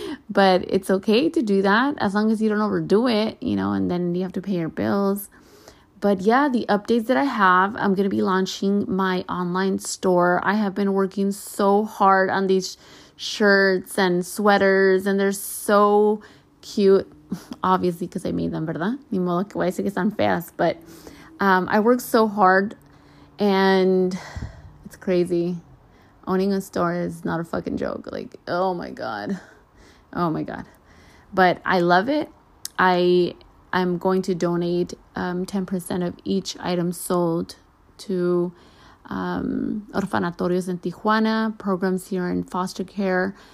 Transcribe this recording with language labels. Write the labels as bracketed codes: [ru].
[en] But it's okay to do that as long as you don't overdo it, you know, and then you have to pay your bills. But yeah, the updates that I have, I'm going to be launching my online store. I have been working so hard on these shirts and sweaters, and they're so cute. Obviously, because I made them, [es] ¿verdad? Ni modo que voy a decir que están feas. [en] But I work so hard, and it's crazy. Owning a store is not a fucking joke. Like, oh my God. Oh my God. But I love it. I'm going to donate 10% of each item sold to orfanatorios in Tijuana, programs here in foster care.